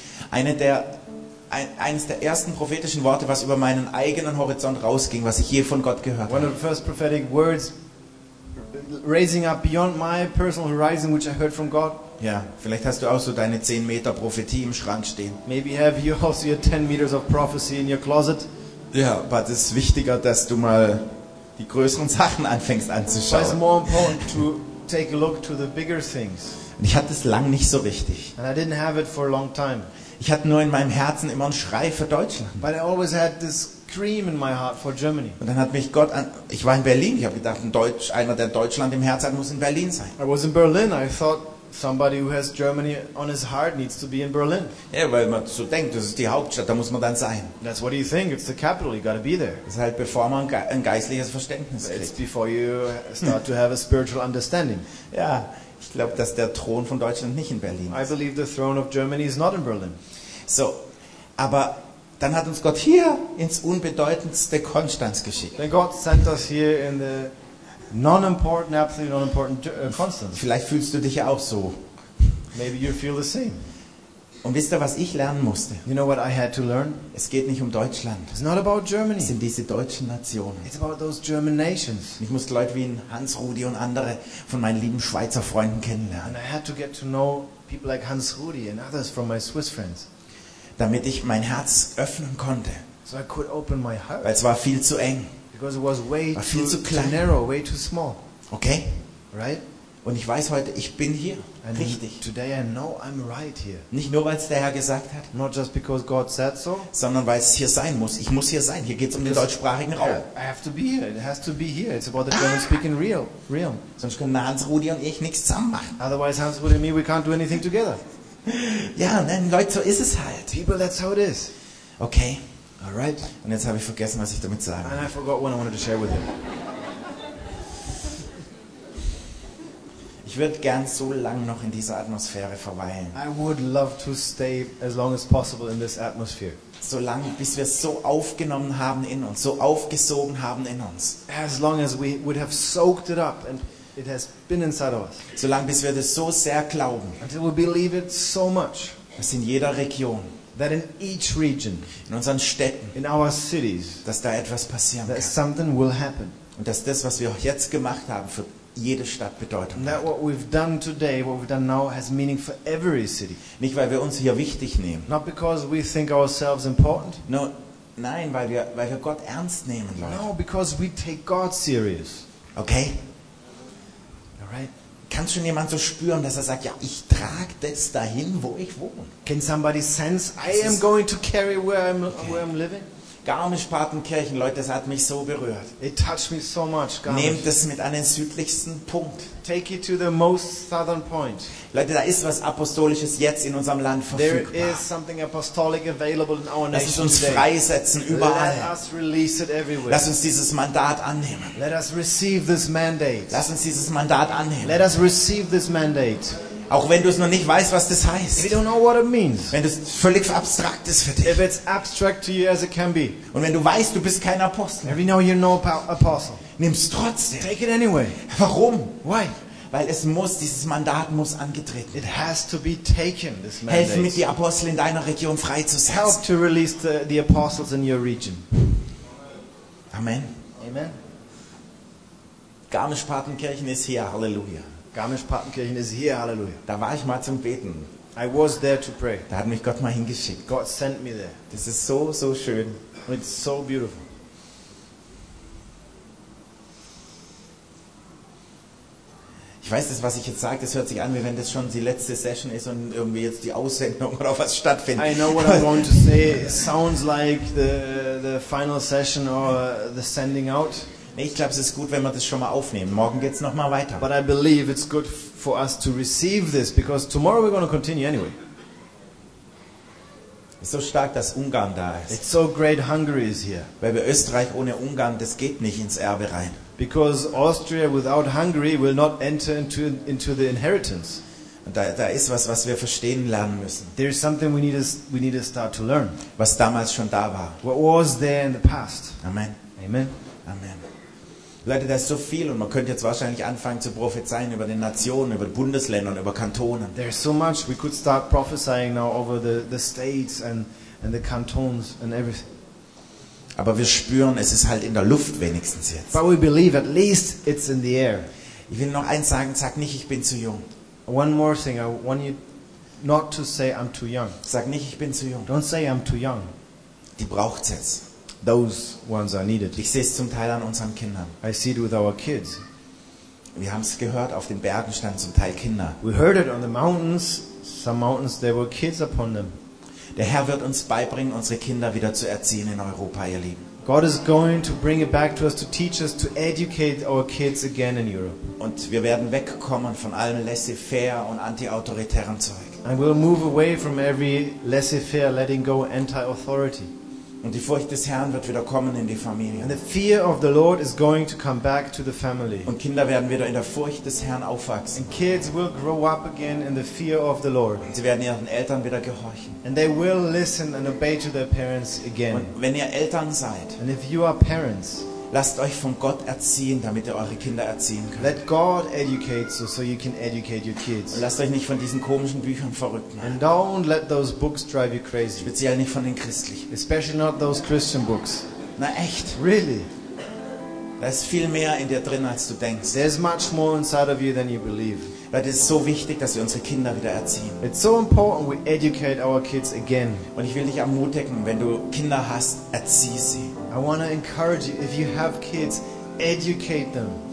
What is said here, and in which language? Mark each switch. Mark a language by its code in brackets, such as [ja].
[de] Eines der ersten prophetischen Worte, was über meinen eigenen Horizont rausging, was ich je von Gott gehört habe. [en] One of the first prophetic words raising up beyond my personal horizon, which I heard from God. [de] Ja, vielleicht hast du auch so deine 10 Meter Prophetie im Schrank stehen. [en] Maybe have you also your 10 meters of prophecy in your closet. [de] Ja, aber es ist wichtiger, dass du mal die größeren Sachen anfängst anzuschauen. [en] It's more important to take a look to the bigger things. [de] Und ich hatte es lang nicht so richtig. [en] And I didn't have it for a long time. [de] Ich hatte nur in meinem Herzen immer einen Schrei für Deutschland. [en] But I always had this dream in my heart for Germany. [de] Und dann hat mich Gott an, ich war in Berlin, ich habe gedacht, einer der Deutschland im Herz hat, muss in Berlin sein. [en] I was in Berlin, I thought somebody who has Germany on his heart needs to be in Berlin. [de] Ja, weil man so denkt, das ist die Hauptstadt, da muss man dann sein. [en] That's what you think, it's the capital, you got to be there. [de] Das ist halt, bevor man ein geistliches Verständnis kriegt. [en] It's before you start to have a spiritual understanding. [de] Ja, ich glaube, dass der Thron von Deutschland nicht in Berlin ist. [en] I believe the throne of Germany is not in Berlin. [de] So, aber dann hat uns Gott hier ins unbedeutendste Konstanz geschickt. [en] Then God sent us here in the non-important, absolutely non-important Konstanz. [de] Vielleicht fühlst du dich ja auch so. [en] Maybe you feel the same. [de] Und wisst ihr, was ich lernen musste? [en] You know what I had to learn? [de] Es geht nicht um Deutschland. [en] It's not about Germany. [de] Es sind diese deutschen Nationen. [en] It's about those German nations. [de] Ich musste Leute wie Hans Rudi und andere von meinen lieben Schweizer Freunden kennenlernen. [en] And I had to get to know people like Hans Rudi and others from my Swiss friends. [de] Damit ich mein Herz öffnen konnte. [en] So I could open my heart. [de] Weil es war viel zu eng. [en] Because it was way [de] war viel zu klein. [en] Too narrow, way too small. Okay. Right? [de] Und ich weiß heute, ich bin hier. [en] And [de] richtig. [en] Today I know I'm right here. [de] Nicht nur, weil es der Herr gesagt hat. [en] Not just because God said so. [de] Sondern weil es hier sein muss. Ich muss hier sein. Hier geht es um den deutschsprachigen Raum. [en] I have to be here. It has to be here. It's about the German speaking realm. [de] Sonst können Hans, Rudi und ich nichts zusammen machen. [en] Otherwise Hans, Rudi and me, we can't do anything together. [de] Ja, nein, Leute, so ist es halt. [en] People, that's how it is. Okay. All right. [de] Und jetzt habe ich vergessen, was ich damit sagen [en] wollte. And I forgot what I wanted to share with you. [de] Ich würde gern so lange noch in dieser Atmosphäre verweilen. [en] I would love to stay as long as possible in this atmosphere. [de] So lange, bis wir es so aufgenommen haben in uns, so aufgesogen haben in uns. [en] As long as we would have soaked it up and it has been inside of us. [de] Solange bis wir das so sehr glauben. [en] Until we believe it so much. [de] Dass in jeder Region. [en] That in each region. [de] In unseren Städten. [en] In our cities. [de] Dass da etwas passieren [en] that [de] kann. [en] Something will happen. [de] Und dass das, was wir jetzt gemacht haben, für jede Stadt Bedeutung [en] that [de] hat. [en] That what we've done today, what we've done now, has meaning for every city. [de] Nicht weil wir uns hier wichtig nehmen. [en] Not because we think ourselves important. [de] No, nein, weil wir Gott ernst nehmen, Leute. [en] No, because we take God serious. Okay. [de] Kann schon jemand so spüren, dass er sagt, ja, ich trage das dahin, wo ich wohne? [en] Can somebody sense, I am going to carry where I'm living? [de] Garmisch-Partenkirchen, Leute, das hat mich so berührt. [en] It touched me so much, Garmisch. [de] Nehmt es mit an den südlichsten Punkt. [en] Take it to the most southern point. [de] Leute, da ist was Apostolisches jetzt in unserem Land verfügbar. [en] There is something apostolic available in our nation today. [de] Lass uns freisetzen überall. [en] Let us release it everywhere. [de] Lass uns dieses Mandat annehmen. [en] Let us receive this mandate. [de] Lass uns dieses Mandat annehmen. [en] Let us receive this mandate. [de] Auch wenn du es noch nicht weißt, was das heißt. [en] We don't know what it means. [de] Wenn es völlig abstrakt ist für dich. [en] If it's abstract to you as it can be. [de] Und wenn du weißt, du bist kein Apostel. [en] If you know you're no apostle. [de] Nimm es trotzdem. [en] Take it anyway. [de] Warum? [en] Why? [de] Weil es muss, dieses Mandat muss angetreten. [en] It has to be taken, this mandate. [de] Helf mit, die Apostel in deiner Region freizusetzen. [en] Help to release the apostles in your region. Amen. Amen. [de] Garmisch-Partenkirchen ist hier. Halleluja. Garmisch-Partenkirchen ist hier, Halleluja. Da war ich mal zum Beten. [en] I was there to pray. [de] Da hat mich Gott mal hingeschickt. [en] God sent me there. [de] Das ist so, so schön. [en] It's so beautiful. [de] Ich weiß, das, was ich jetzt sage, das hört sich an, wie wenn das schon die letzte Session ist und irgendwie jetzt die Aussendung oder was stattfindet. [en] I know what I want to say. It sounds like the final session or the sending out. [de] Ich glaube, es ist gut, wenn wir das schon mal aufnehmen. Morgen geht's noch mal weiter. [en] But I believe it's good for us to receive this because tomorrow we're going to continue anyway. [de] Es ist so stark, dass Ungarn da ist. [en] It's so great Hungary is here. [de] Weil wir Österreich ohne Ungarn, das geht nicht ins Erbe rein. [en] Because Austria without Hungary will not enter into the inheritance. [de] Und da ist was wir verstehen lernen müssen. [en] There is something we need to start to learn. [de] Was damals schon da war. [en] What was there in the past. Amen. Amen. Amen. [de] Leute, da ist so viel und man könnte jetzt wahrscheinlich anfangen zu prophezeien über den Nationen, über Bundesländer und über Kantonen. [en] There is so much we could start prophesying now over the states and the cantons and everything. [de] Aber wir spüren, es ist halt in der Luft wenigstens jetzt. [en] But we believe at least it's in the air. [de] Ich will noch eins sagen, sag nicht, ich bin zu jung. [en] One more thing, I want you not to say I'm too young. [de] Sag nicht, ich bin zu jung. [en] Don't say I'm too young. [de] Die braucht's jetzt. [en] Those ones are needed. [de] Ich sehe es zum Teil an unseren Kindern. [en] I see it with our kids. [de] Wir haben es gehört, auf den Bergen standen zum Teil Kinder. [en] We heard it on the mountains. Some mountains there were kids upon them. [de] Der Herr wird uns beibringen, unsere Kinder wieder zu erziehen in Europa, ihr Lieben. [en] God is going to bring it back to us, to teach us, to educate our kids again in Europe. [de] Und wir werden wegkommen von allem laissez-faire und anti-autoritären Zeug. [en] And we'll move away from every laissez-faire, letting go, anti-authority. [de] Und die Furcht des Herrn wird wieder kommen in die Familie. [en] And the fear of the Lord is going to come back to the family. [de] Und Kinder werden wieder in der Furcht des Herrn aufwachsen. [en] And kids will grow up again in the fear of the Lord. [de] Und sie werden ihren Eltern wieder gehorchen. [en] And they will listen and obey to their parents again. [de] Und wenn ihr Eltern seid, [en] and if you are parents, [de] lasst euch von Gott erziehen, damit ihr eure Kinder erziehen könnt. [en] Let God educate you so you can educate your kids. [de] Und lasst euch nicht von diesen komischen Büchern verrückt machen. [en] And don't let those books drive you crazy. [de] Speziell nicht von den christlichen. [en] Especially not those Christian books. [de] Na echt? [en] Really? [de] Da ist viel mehr in dir drin, als du denkst. [en] There's much more inside of you than you believe. [de] Weil es ist so wichtig, dass wir unsere Kinder wieder erziehen. [en] It's so important we educate our kids again. [de] Und ich will dich ermutigen, wenn du Kinder hast, erzieh sie. [en] I want to encourage you, if you have kids, educate them.